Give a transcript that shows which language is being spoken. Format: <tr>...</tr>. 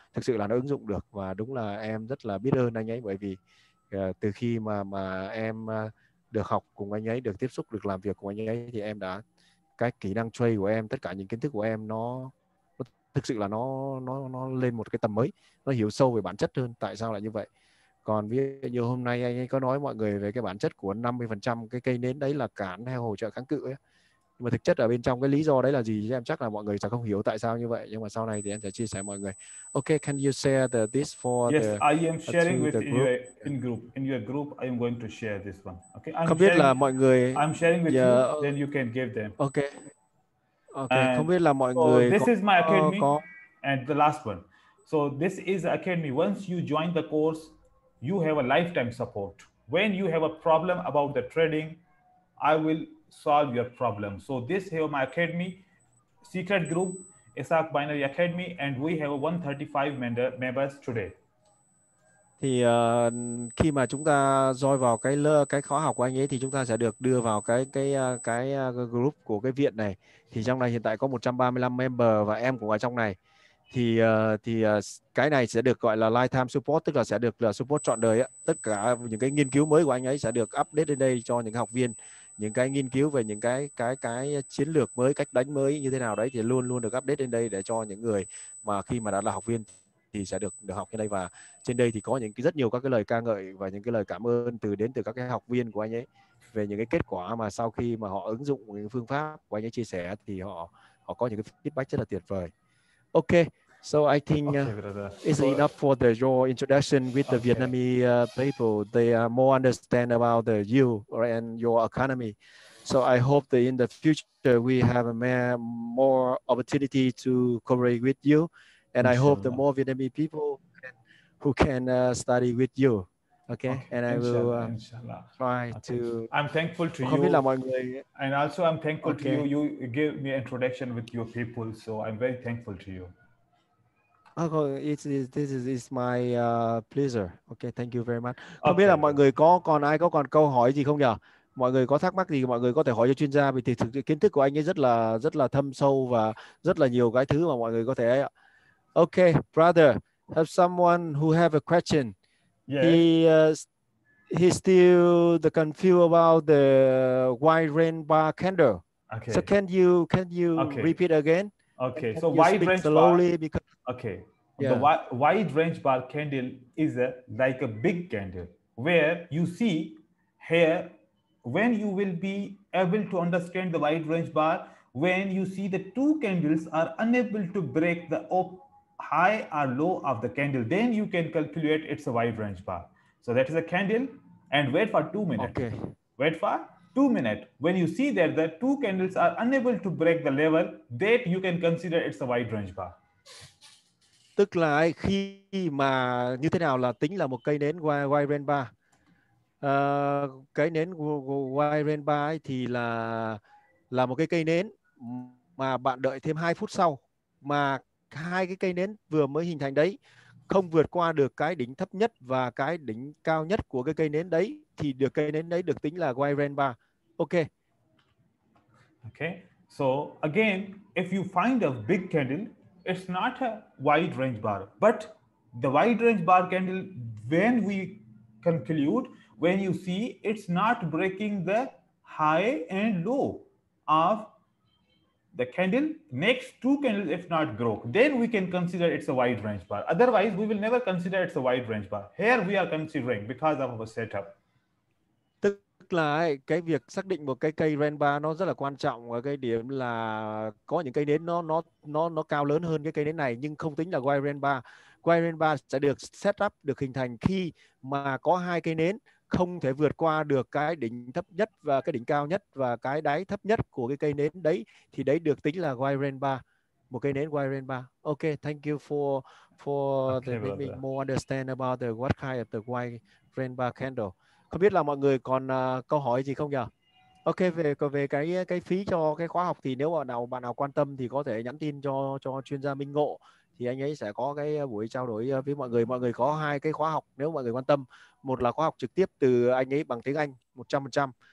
<vi>Thực sự là nó ứng dụng được và đúng là em rất là biết ơn anh ấy, bởi vì từ khi mà em được học cùng anh ấy, được tiếp xúc, được làm việc cùng anh ấy thì em đã cái kỹ năng trade của em, tất cả những kiến thức của em nó thực sự là nó lên một cái tầm mới, nó hiểu sâu về bản chất hơn tại sao lại như vậy. Còn ví dụ như hôm nay anh ấy có nói mọi người về cái bản chất của 50% cái cây nến đấy là cản hay hỗ trợ kháng cự ấy. Nhưng mà thực chất ở bên trong cái lý do đấy là gì thì em chắc là mọi người sẽ không hiểu tại sao như vậy. Nhưng mà sau này thì em sẽ chia sẻ mọi người.</vi> <en>Ok, can you share this for yes, the... Yes, I am sharing with you in group. In your group, I am going to share this one. Okay, I'm</en> <vi>không biết sharing, là mọi người...</vi> <en>I'm sharing with you, then you can give them. Ok. Ok, and</en> <vi>không biết là mọi so người...</vi> <en>This is my academy and the last one. So this is academy. Once you join the course, you have a lifetime support. When you have a problem about the trading, I will solve your problem. So this here my academy, secret group, Isaac Binary Academy, and we have 135 members today.</en> <vi>Thì khi mà chúng ta join vào cái khóa học của anh ấy thì chúng ta sẽ được đưa vào cái group của cái viện này. Thì trong này hiện tại có 135 member và em cũng ở trong này. Thì cái này sẽ được gọi là lifetime support, tức là sẽ được là support trọn đời ấy. Tất cả những cái nghiên cứu mới của anh ấy sẽ được update lên đây cho những học viên, những cái nghiên cứu về những cái chiến lược mới, cách đánh mới như thế nào đấy thì luôn luôn được update lên đây để cho những người mà khi mà đã là học viên thì sẽ được học trên đây. Và trên đây thì có những cái rất nhiều các cái lời ca ngợi và những cái lời cảm ơn đến từ các cái học viên của anh ấy về những cái kết quả mà sau khi mà họ ứng dụng những phương pháp của anh ấy chia sẻ thì họ có những cái feedback rất là tuyệt vời.</vi> <en>Okay, so I think it's enough for your introduction with the Vietnamese people. They are more understand about you and your economy. So I hope that in the future we have more opportunity to cooperate with you. And I hope the more Vietnamese people who can study with you. Okay, and I will try to. I'm thankful to you. And also, I'm thankful to you. You gave me introduction with your people, so I'm very thankful to you. Okay, this is my pleasure. Okay, thank you very much.</en> <vi>Không biết là mọi người có còn ai có còn câu hỏi gì không nhỉ? Mọi người có thắc mắc gì mọi người có thể hỏi cho chuyên gia, vì thực sự kiến thức của anh ấy rất là thâm sâu và rất là nhiều cái thứ mà mọi người có thể.</vi> <en>Okay, brother, have someone who have a question. Yes. He still the confused about the white rainbow candle. Okay. So can you repeat again? Okay, so wide range slowly bar. Because okay, yeah. The wide range bar candle is a, like a big candle where you see here when you will be able to understand the wide range bar when you see the two candles are unable to break the high or low of the candle, then you can calculate it's a wide range bar. So that is a candle, and wait for 2 minutes. Okay. Wait for 2 minutes. When you see that the two candles are unable to break the level, that you can consider it's a wide range bar.</en> <vi>Tức là khi mà như thế nào là tính là một cây nến wide range bar. Cái nến wide range bar thì là một cái cây nến mà bạn đợi thêm 2 phút sau mà hai cái cây nến vừa mới hình thành đấy không vượt qua được cái đỉnh thấp nhất và cái đỉnh cao nhất của cái cây nến đấy thì được cây nến đấy được tính là wide range bar.</vi> <en>Okay. Okay. So again, if you find a big candle, it's not a wide range bar, but the wide range bar candle when we conclude when you see it's not breaking the high and low of the candle, next two candles if not broke, then we can consider it's a wide range bar. Otherwise, we will never consider it's a wide range bar. Here we are considering because of our setup.</en> <vi>Tức là cái việc xác định một cái cây range bar nó rất là quan trọng ở cái điểm là có những cây nến nó cao lớn hơn cái cây nến này nhưng không tính là wide range bar. Wide range bar sẽ được setup được hình thành khi mà có hai cây nến không thể vượt qua được cái đỉnh thấp nhất và cái đỉnh cao nhất và cái đáy thấp nhất của cái cây nến đấy thì đấy được tính là wide range bar, một cây nến wide range bar.</vi> <en>Okay, thank you for okay, the making more understand about the what kind of the wide range bar candle.</en> <vi>Không biết là mọi người còn câu hỏi gì không nhỉ? Okay, về cái phí cho cái khóa học thì nếu bạn nào quan tâm thì có thể nhắn tin cho chuyên gia Minh Ngộ thì anh ấy sẽ có cái buổi trao đổi với mọi người. Mọi người có hai cái khóa học nếu mọi người quan tâm. Một là khóa học trực tiếp từ anh ấy bằng tiếng Anh 100%.</vi>